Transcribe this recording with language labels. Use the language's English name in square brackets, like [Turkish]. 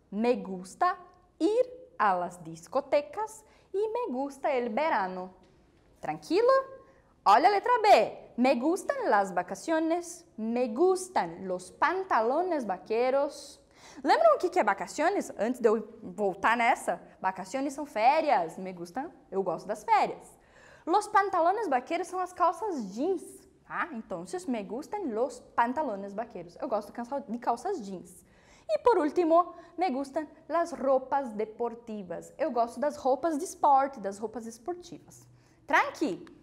[Spanish] Me gusta ir a las discotecas. E me gusta el verano. Tranquilo? [Portuguese] Olha a letra B. [Spanish] Me gustan las vacaciones. Me gustan los pantalones vaqueros. [Portuguese] Lembram o que é vacaciones? Antes de eu voltar nessa. Vacaciones são férias. Me gustan. Eu gosto das férias. [Spanish] Los pantalones vaqueros [Portuguese] são as calças jeans. Tá? Então, [Spanish] me gustan los pantalones vaqueros. [Portuguese] Eu gosto de calças jeans. [Spanish] E por último, me gustan las roupas deportivas. [Portuguese] Eu gosto das roupas de esporte, das roupas esportivas. Tranqui!